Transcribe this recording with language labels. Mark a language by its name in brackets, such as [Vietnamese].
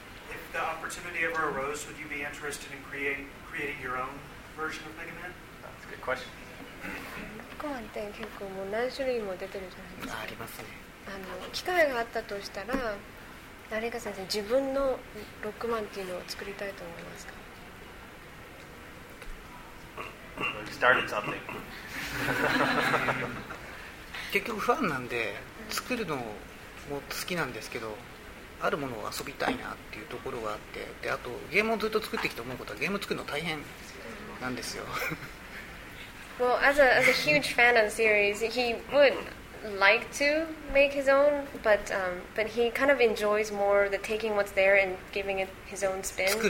[English] If the opportunity ever arose, would you be interested in creating your own version of Mega Man? That's a good question. [Japanese] コマンって結構もう何種類も出てるじゃないですか。ありますね。機会があったとしたら、誰か先生、自分のロックマンっていうのを作りたいと思いますか？ [English] You started something. [Japanese] 結局ファンなんで作るのも好きなんですけど、あるものを遊びたいなっていうところがあって、であとゲームをずっと作ってきて思うことは、ゲーム作るの大変なんですよ。 [English] Well, as a huge fan of the series, he would like to make his own, but he kind of enjoys more the taking what's there and giving it his own spin.